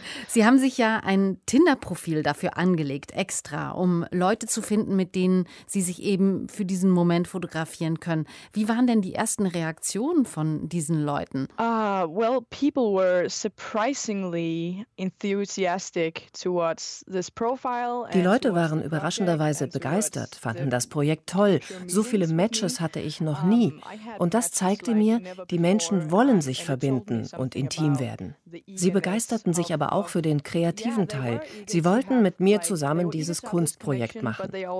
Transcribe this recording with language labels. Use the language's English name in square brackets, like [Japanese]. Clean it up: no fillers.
[German] Sie haben sich ja ein Tinder-Profil dafür angelegt, extra, um Leute zu finden, mit denen Sie sich eben für diesen Moment fotografieren können. Wie waren denn die ersten Reaktionen von diesen Leuten? [English] Well, people were surprisingly enthusiastic towards this profile. [German] Die Leute waren überraschenderweise begeistert, fanden das Projekt toll. So viele Matches hatte ich noch nie. Und das zeigte mir, die Menschen wollen sich verbinden und intim werden. Sie begeisterten sich aber auch für den kreativen Teil. Sie wollten mit mir zusammen dieses Kunstprojekt machen.